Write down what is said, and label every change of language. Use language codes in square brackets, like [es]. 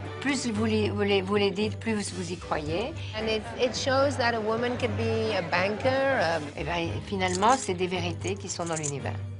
[fr] Plus vous les dites, plus vous y croyez. [en] And it shows that a woman could be a banker. [fr] Et bien, finalement, c'est des vérités qui sont dans l'univers.